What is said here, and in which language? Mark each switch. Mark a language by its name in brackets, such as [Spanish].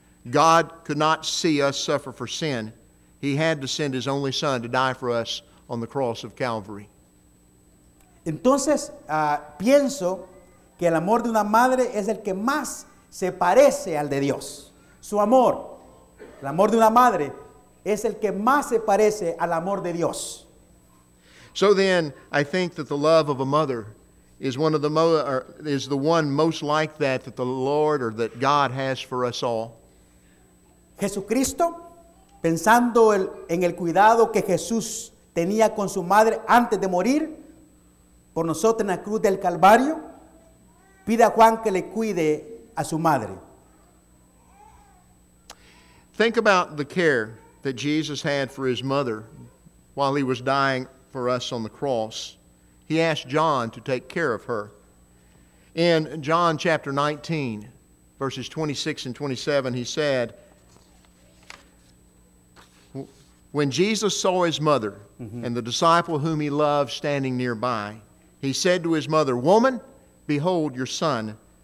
[English] God could not see us suffer for sin. He had to send his only son to die for us on the cross of Calvary. [Spanish] Entonces, pienso que el amor de una madre es el que más se parece al de Dios. Su amor, el amor de una madre, es el que más se parece al amor de Dios. [English] So then, I think that the love of a mother is the one most like that the Lord or that God has for us all. [Spanish] Jesucristo, pensando en el cuidado que Jesús tenía con su madre antes de morir por nosotros en la cruz del Calvario, pide a Juan que le cuide a su madre. [English] Think about the care that Jesus had for his mother while he was dying for us on the cross. He asked John to take care of her. In John chapter 19, verses 26 and 27, he said, when Jesus saw his mother and the disciple whom he loved standing nearby, he said to his mother, woman, behold your son.